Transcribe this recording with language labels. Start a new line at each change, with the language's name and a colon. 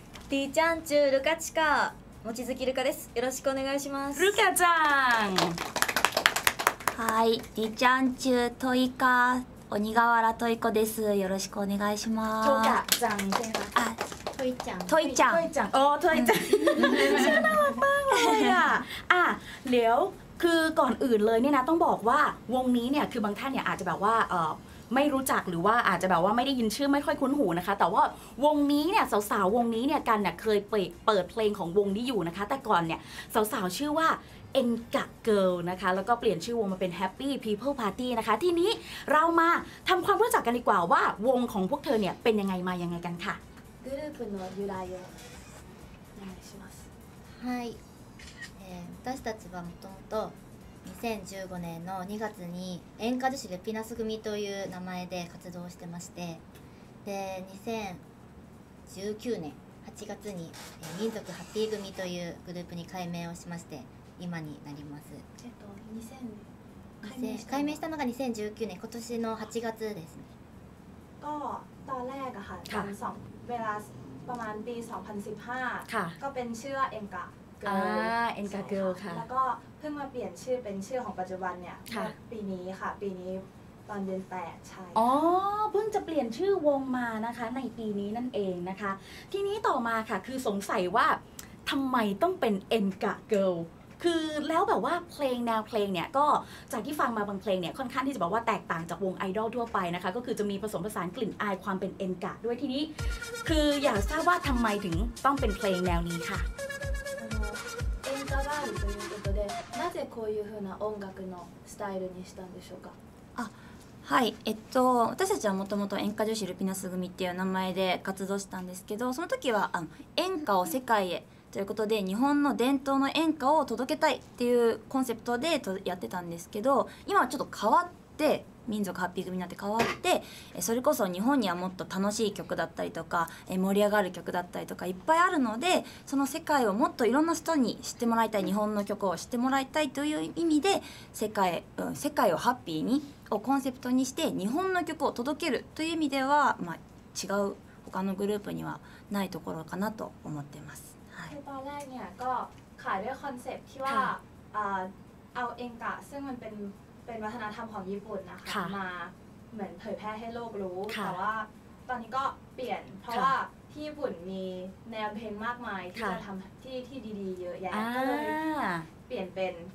Japanese: りちゃんちゅうるかちか望月るかですよろしくお願いしまするかちゃんはいりちゃんちゅうといか鬼ヶ原トイ子です。よろしくお願いします。トイちゃん。トイちゃん。トイちゃん。おー、トイちゃん。
Thai: ชื่อน่ารักมากเลยอ่ะ อ่ะ เดี๋ยวคือก่อนอื่นเลยเนี่ยนะต้องบอกว่าวงนี้เนี่ยคือบางท่านเนี่ยอาจจะแบบว่าไม่รู้จักหรือว่าอาจจะแบบว่าไม่ได้ยินชื่อไม่ค่อยคุ้นหูนะคะแต่ว่าวงนี้เนี่ยสาวๆวงนี้เนี่ยกันเนี่ยเคยเปิดเพลงของวงนี้อยู่นะคะแต่ก่อนเนี่ยสาวๆชื่อว่าเอ็นกะเกิลนะคะแล้วก็เปลี่ยนชื่อวงมาเป็น Happy People Party นะคะทีนี้เรามาทำความรู้จักกันดีกว่าว่าวงของพวกเธอเนี่ยเป็นยังไงมายังไงกันค่ะ
Japanese: กรุ๊ปの由来をお願いします。はい、私たちはもともと2015年の2月に演歌女子レピナス組という名前で活動してまして、で2019年8月に民族ハッピー組というグループに改名をしまして今になります。改名したのが2019年今年の8月ですね。
Thai: ก็ตอนแรกอะค่ะตอน2เวลาประมาณปี2015 ค่ะ ก็เป็นชื่อเอ็นกะ เกิลเอ็นกะเกิลค่ะ แล้วก็เพิ่งมาเปลี่ยนชื่อเป็นชื่อของปัจจุบันเนี่ยปีนี้ค่ะปีนี้ตอนเดือน8ใช่ อ๋อเพิ่งจะเปลี่ยนชื่อวงมานะคะในปีนี้นั่นเองนะคะทีนี้ต่อมาค่ะคือสงสัยว่าทำไมต้องเป็นเอ็นกะเกิลคือแล้วแบบว่าเพลงแนวเพลงเนี่ยก็จากที่ฟังมาบางเพลงเนี่ยค่อนข้างที่จะบอกว่าแตกต่างจากวงไอดอลทั่วไปนะคะก็คือจะมีผสมผสานกลิ่นอายความเป็นเอ็นกะด้วยทีนี้คืออยากทราบว่าทำไมถึงต้องเป็นเพลงแนวนี้ค่ะ
Japanese: เอ็นกะวาลということでなぜこういうふうな音楽のスタイルにしたんでしょうか。はい、私たちはもともと演歌女子ルピナス組っていう名前で活動したんですけど、その時は演歌を世界へということで日本の伝統の演歌を届けたいっていうコンセプトでやってたんですけど、今はちょっと変わって民族ハッピー組になって変わって、それこそ日本にはもっと楽しい曲だったりとか盛り上がる曲だったりとかいっぱいあるので、その世界をもっといろんな人に知ってもらいたい、日本の曲を知ってもらいたいという意味で世界をハッピーにをコンセプトにして日本の曲を届けるという意味では、まあ、違う他のグループにはないところかなと思っています。
Thai: คือตอนแรกเนี่ยก็ขายด้วยคอนเซปต์ที่ว่าเอาเองกะซึ่งมันเป็นวัฒนธรรมของญี่ปุ่นนะคะมาเหมือนเผยแพร่ให้โลกรู้ แต่ว่าตอนนี้ก็เปลี่ยนเพราะว่าที่ญี่ปุ่นมีแนวเพลงมากมายที่จะทำที่ดีๆเยอะแยะก็เลยเปลี่ยนเป็น